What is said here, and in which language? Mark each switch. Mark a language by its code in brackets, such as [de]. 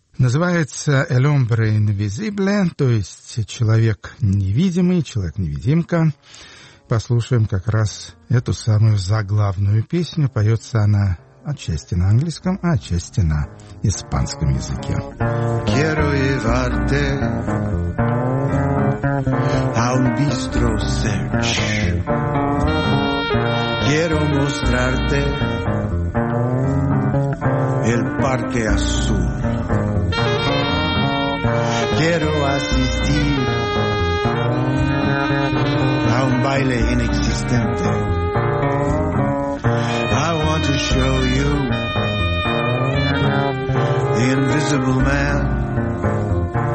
[ru] Называется «El hombre invisible», то есть «Человек невидимый», «Человек-невидимка». Послушаем как раз эту самую заглавную песню. Поется она отчасти на английском, а отчасти на испанском языке. [es] Quiero llevarte a un bistro search. Quiero mostrarte el parque azul. Quiero asistir a un baile inexistente. [en] I want to show you the invisible man.